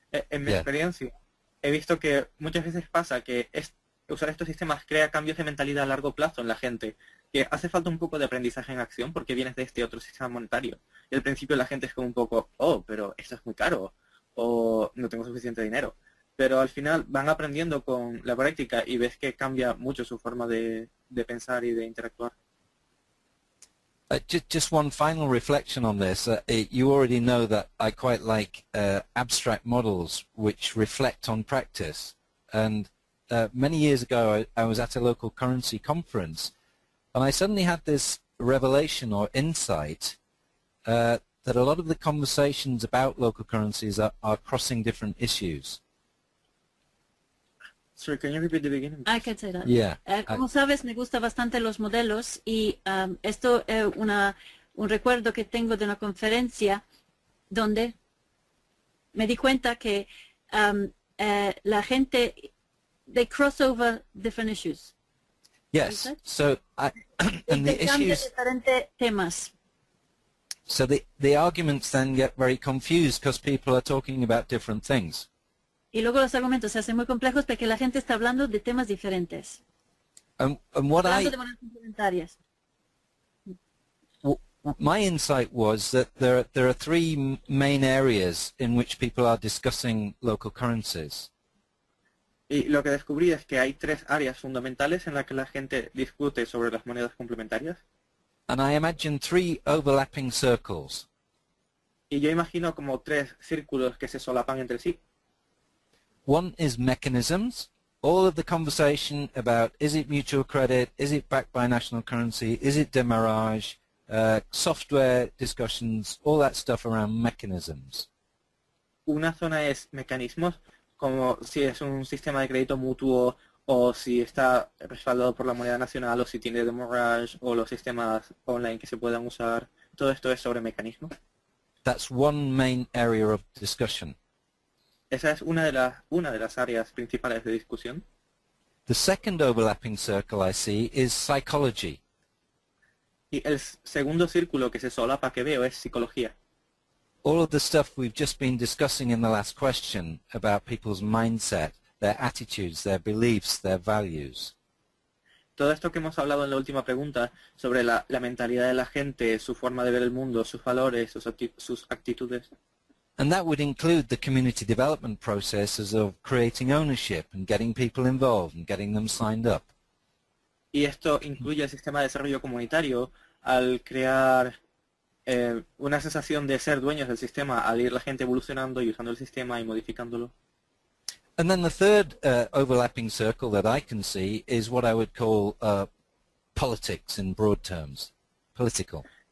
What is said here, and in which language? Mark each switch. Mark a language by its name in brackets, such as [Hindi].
[Spanish] En mi experiencia, he visto que muchas veces pasa que usar estos sistemas crea cambios de mentalidad a largo plazo en la gente, que hace falta un poco de aprendizaje en acción porque vienes de este otro sistema monetario. Y al principio la gente es como un poco, oh, pero esto es muy caro, o no tengo suficiente dinero. Pero al final van aprendiendo con la práctica y ves que cambia mucho su forma de pensar y de interactuar. [English] Just one final reflection on this. You already know that I quite like abstract models which reflect on practice. And many years ago I was at a local currency conference and I suddenly had this revelation or insight that a lot of the conversations about local currencies are crossing different issues. Sorry, can you repeat the beginning? I can say that. Yeah. [Spanish] Como sabes, me gustan bastante los modelos y esto es un recuerdo que tengo de una conferencia donde me di cuenta que la gente, [English] they cross over different issues. Yes. So, and the issues... [Spanish] diferentes temas. [English] So the arguments then get very confused because people are talking about different things. [Spanish] Y luego los argumentos se hacen muy complejos porque la gente está hablando de temas diferentes. [English] And what [Spanish] hablando de monedas complementarias. [English] My insight was that there are three main areas in which people are discussing local currencies. [Spanish] Y lo que descubrí es que hay tres áreas fundamentales en las que la gente discute sobre las monedas complementarias. [English] And I imagine three overlapping circles. [Spanish] Y yo imagino como tres círculos que se solapan entre sí. [English] One is mechanisms. All of the conversation about is it mutual credit, is it backed by national currency, is it demurrage, software discussions, all that stuff around mechanisms. [Spanish] Una zona es mecanismos, como si es un sistema de crédito mutuo o si está respaldado por la moneda nacional, o si tiene demurrage, o los sistemas online que se puedan usar. Todo esto es sobre mecanismos. [English] That's one main area of discussion. [Spanish] Esa es una de las áreas principales de discusión. [English] The second overlapping circle I see is psychology. [Spanish] Y el segundo círculo que se solapa que veo es psicología. [English] All of the stuff we've just been discussing in the last question about people's mindset, their attitudes, their beliefs, their values. [Spanish] Todo esto que hemos hablado en la última pregunta sobre la mentalidad de la gente, su forma de ver el mundo, sus valores, sus actitudes. [English] And that would include the community development processes of creating ownership and getting people involved and getting them signed up. [Spanish] Y esto incluye el sistema de desarrollo comunitario al crear una sensación de ser dueños del sistema, al ir la gente evolucionando y usando el sistema y modificándolo. [English] And then the third overlapping circle that I can see is what I would call politics in broad terms, political.